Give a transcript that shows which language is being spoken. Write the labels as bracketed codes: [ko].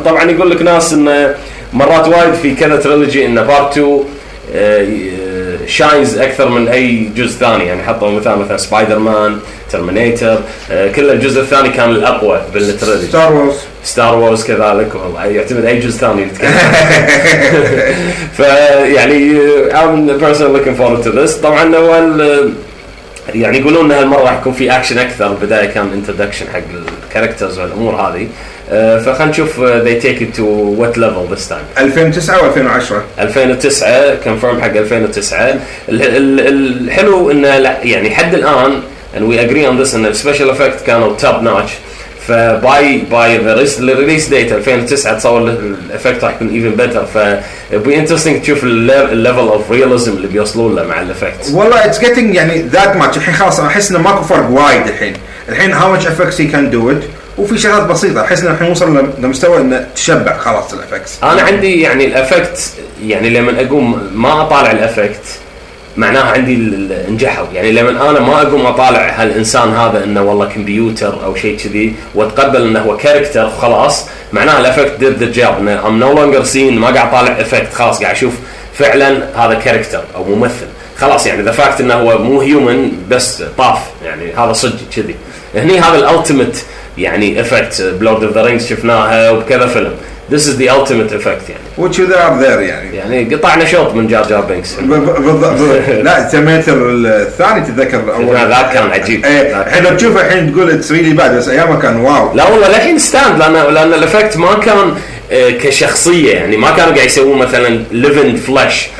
[ar] طبعا يقول لك ناس انه مرات وايد في كذا تريلوجي انه بارت 2 شاينز اكثر من اي جزء ثاني، يعني حطوا مثلا سبايدر مان، ترمينيتر، كل الجزء الثاني كان الاقوى بالتريلوجي. ستار وورز كذلك، والله يعتمد اي جزء ثاني يتكلم. فيعني [en] I'm personally looking forward to this. [ar] طبعا اول يعني يقولون ان هالمره راح يكون في اكشن اكثر، البدايه كان انتدكشن حق الكاركترز والامور هذه، فخلنا نشوف [en] they take it to what level this time. [ar] 2009 و2010 2009 confirm حق 2009. الحلو انه يعني حد الان [en] and we agree on this [ar] ان special effect كانوا [en] top notch، فباي الريليس date 2009 تصور الافكت راح يكون ايفن بيتر. [ar] ف بي انترستينج تشوف الليفل اوف رياليزم اللي بيوصلون له مع الافكت. والله [en] it's getting [ar] يعني [en] that much [ar] الحين خلاص احس انه ماكو فرق وايد الحين. الحين [en] how much effect هي كان do it, [ar] وفي شغلات بسيطه احس انه الحين وصل لمستوى انه تشبع خلاص الافكت. انا عندي يعني الافكت يعني لما اقوم ما اطالع الافكت معناها عندي نجحوا. يعني لما انا ما اقوم اطالع هالانسان هذا انه والله كمبيوتر او شيء كذي واتقبل انه هو كاركتر خلاص, معناها الافكت [en] Did the job. I'm no longer seen, [ar] ما قاعد اطالع افكت خلاص, قاعد اشوف فعلا هذا كاركتر او ممثل خلاص. يعني [en] the fact [ar] انه هو مو هيومن بس طاف, يعني هذا صدق كذي. هني هذا الالتيميت يعني افكت بلورد اوف ذا رينجز شفناها وبكذا فيلم. [en] This is the ultimate effect يعني. Which you are there يعني. [ar] يعني قطعنا شوط من جار جار بينكس. لا سمعت الثاني تذكر أول. هذا كان عجيب. إيه. حين تشوفه حين تقول [en] it's really bad [ar] بس أيامه كان واو. لا والله لحين stand لأن الإفكت ما كان كشخصية يعني ما كانوا قاعد يسوون مثلاً [en] living flesh.